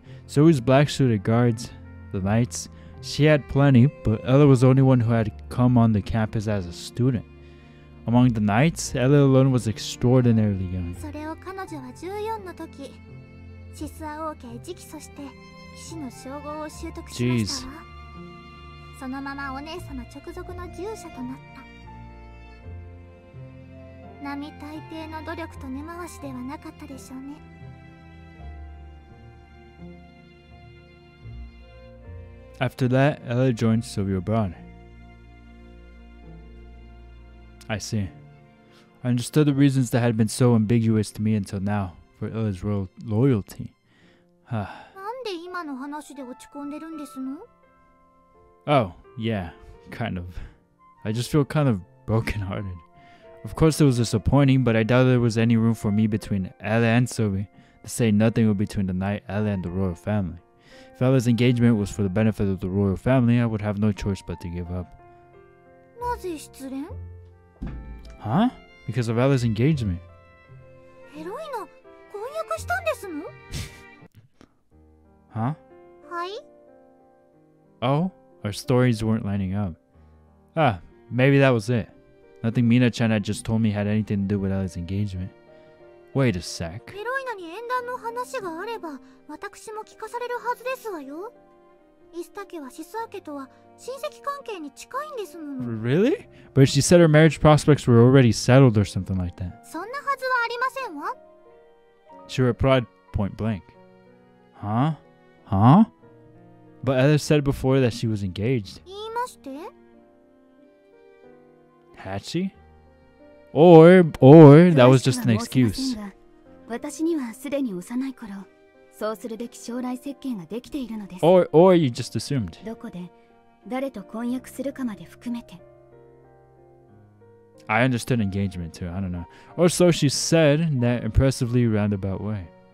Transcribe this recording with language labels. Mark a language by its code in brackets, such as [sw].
[en] So his black suited guards, the knights, she had plenty, but Elle was the only one who had come on the campus as a student. Among the knights, Elle alone was extraordinarily young. [ja] それを彼女は14の時、シスア王家へ直訴して騎士の称号を習得しましたわ。そのままお姉様直属の従者となった。並大抵の努力と根回しではなかったでしょうね。 [en] After that, Elle joined Sylvia Brown. I see. I understood the reasons that had been so ambiguous to me until now for Elle's royal loyalty. [ja] なんで今の話で落ち込んでるんですの? [en] Oh, yeah, kind of. I just feel kind of brokenhearted. Of course it was disappointing, but I doubt there was any room for me between Elle and Sylvia, to say nothing of between the knight Elle and the royal family. If Ella's engagement was for the benefit of the royal family, I would have no choice but to give up. [ja] なぜ失恋? [en] Huh? Because of Ella's engagement. [ja] エロイナ、婚約したんですの? [en] Huh? [ja] はい? [en] Oh? Our stories weren't lining up. Ah, maybe that was it. Nothing Mina-chan had just told me had anything to do with Ella's engagement. Wait a sec. [ja] エロイナに縁談の話があれば、私も聞かされるはずですわよ。イスタ家はシスア家とは親戚関係に近いんですもの。 [en] Really? But she said her marriage prospects were already settled or something like that. [ja] そんなはずはありませんわ。 [en] She replied point blank. Huh? Huh? But Elle said before that she was engaged. [ja] 言いまして? [en] Had she? Or that was just an excuse. [ja] 私にはすでに幼い頃、そうするべき将来設計ができているのです。 [en] Or you just assumed. [ja] どこで、誰と婚約するかまで含めて。 [en] I understood engagement too, I don't know. Or so she said in that impressively roundabout way.